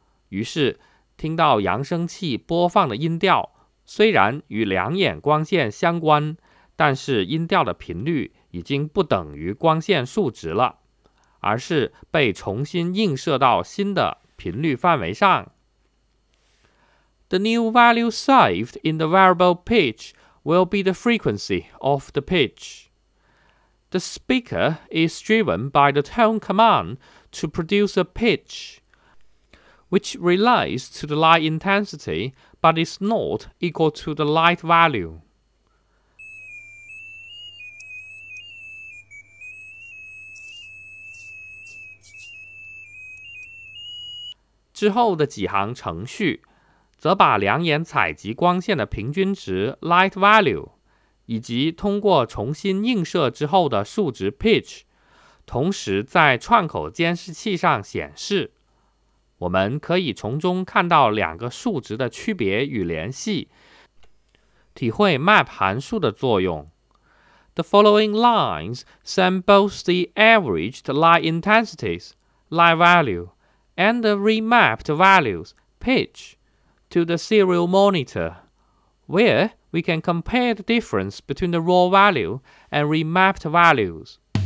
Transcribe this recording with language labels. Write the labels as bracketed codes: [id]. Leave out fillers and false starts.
[zh] 于是，听到扬声器播放的音调，虽然与两眼光线相关，但是音调的频率已经不等于光线数值了，而是被重新映射到新的频率范围上。 [en] The new value saved in the variable pitch will be the frequency of the pitch. The speaker is driven by the tone command to produce a pitch, which relates to the light intensity but is not equal to the light value. [zh] 之后的几行程序则把两眼采集光线的平均值 light value以及通过重新映射之后的数值 pitch 同时在串口监视器上显示。我们可以从中看到两个数值的区别与联系，体会 map 函数的作用。 [en] The following lines send both the averaged light intensities light value and the remapped values pitch to the serial monitor where we can compare the difference between the raw value and remapped values.